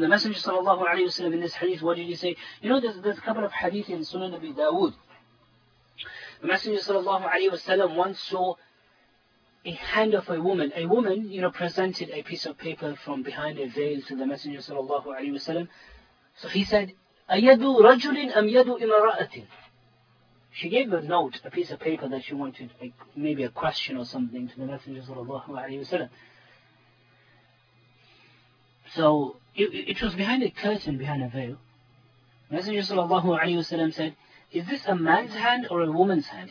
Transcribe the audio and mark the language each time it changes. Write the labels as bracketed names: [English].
[English] The Messenger sallallahu alayhi wa sallam in this hadith, what did he say? You know, there's a couple of hadith in Sunan Abi Dawood. The Messenger sallallahu alayhi wa sallam once saw a hand of a woman. A woman, you know, presented a piece of paper from behind a veil to the Messenger sallallahu alayhi wa sallam. So he said, [Arabic] أَيَدُ رَجُلٍ أَمْ يَدُ إِمْرَأَةٍ. [English] She gave a note, a piece of paper that she wanted, maybe a question or something, to the Messenger sallallahu alayhi wa sallam. So, it was behind a curtain, behind a veil. Messenger sallallahu alayhi wa sallam said, is this a man's hand or a woman's hand?